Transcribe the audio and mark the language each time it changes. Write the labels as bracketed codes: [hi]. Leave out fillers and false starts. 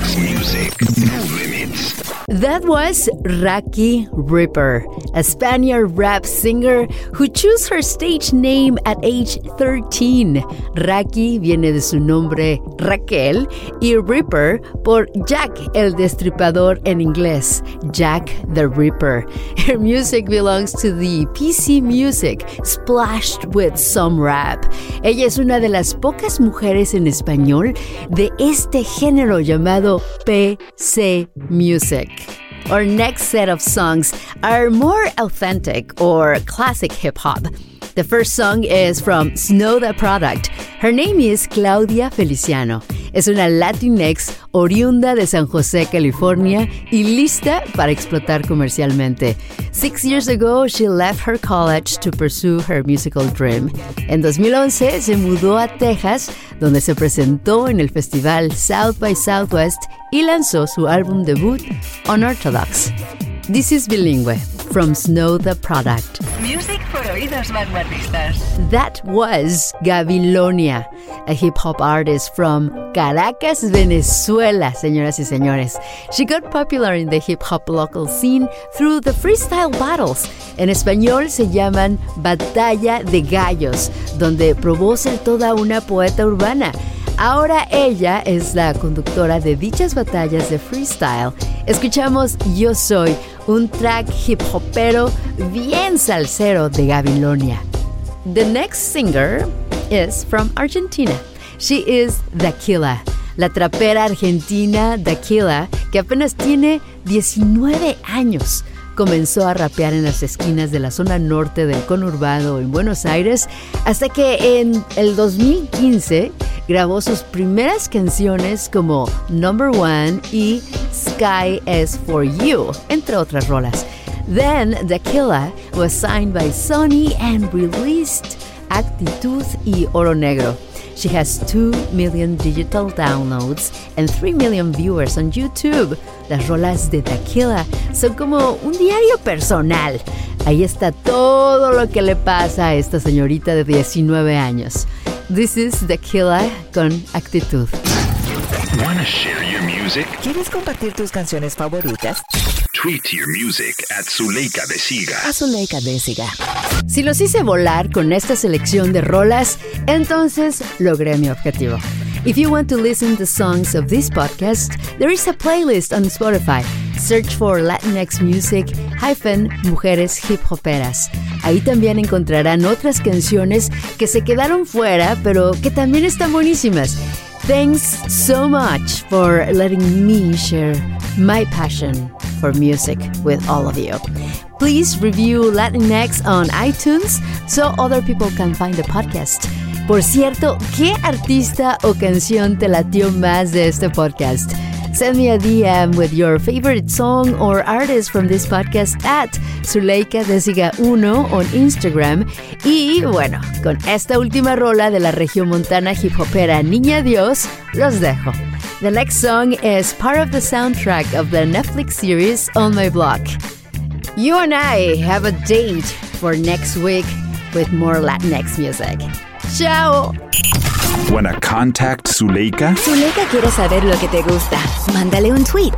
[en] That was Raki Ripper, a Spaniard rap singer who chose her stage name at age 13. [es] Raki viene de su nombre Raquel y Ripper por Jack el Destripador en inglés, [en] Jack the Ripper. Her music belongs to the PC music, splashed with some rap. [es] Ella es una de las pocas mujeres en español de este género llamado PC music. [en] Our next set of songs are more authentic or classic hip-hop. The first song is from Snow the Product. Her name is [es] Claudia Feliciano. Es una Latinx oriunda de San José, California, y lista para explotar comercialmente. [en] 6 years ago, she left her college to pursue her musical dream. [es] En 2011, se mudó a Texas, donde se presentó en el festival South by Southwest y lanzó su álbum debut, Unorthodox. [en] This is Bilingüe, from Snow the Product. Music for [es] oídos vanguardistas. [en] That was Gabilonia, a hip-hop artist from Caracas, Venezuela, [es] señoras y señores. [en] She got popular in the hip-hop local scene through the freestyle battles. [es] En español se llaman Batalla de Gallos, donde probó ser toda una poeta urbana. Ahora ella es la conductora de dichas batallas de freestyle. Escuchamos Yo Soy, un track hip-hopero bien salsero de Gabilonia. [en] The next singer is from Argentina. She is [es] Daquila, la trapera argentina Daquila, que apenas tiene 19 años. Comenzó a rapear en las esquinas de la zona norte del conurbano en Buenos Aires hasta que en el 2015 grabó sus primeras canciones como Number One y Sky Is For You, entre otras rolas. [en] Then, Daquila was signed by Sony and released Actitud y Oro Negro. She has 2 million digital downloads and 3 million viewers on YouTube. [es] Las rolas de Daquila son como un diario personal. Ahí está todo lo que le pasa a esta señorita de 19 años. [en] This is The Killer con Actitud. Wanna share your music? [es] ¿Quieres compartir tus canciones favoritas? [en] Tweet your music at Zuleika de Siga. [es] A Zuleika de Siga. Si los hice volar con esta selección de rolas, entonces logré mi objetivo. [en] If you want to listen to the songs of this podcast, there is a playlist on Spotify. Search for Latinx Music Mujeres Hip Hoperas. [es] Ahí también encontrarán otras canciones que se quedaron fuera, pero que también están buenísimas. [en] Thanks so much for letting me share my passion for music with all of you. Please review Latinx on iTunes so other people can find the podcast. [es] Por cierto, ¿qué artista o canción te latió más de este podcast? [en] Send me a DM with your favorite song or artist from this podcast at ZuleikaDeSiga1 on Instagram. [es] Y bueno, con esta última rola de la regiomontana hip hopera Niña Dios, los dejo. [en] The next song is part of the soundtrack of the Netflix series On My Block. You and I have a date for next week with more Latinx music. [es] ¡Chao! [en] Wanna contact Zuleika? [es] Zuleika quiere saber lo que te gusta. Mándale un tweet.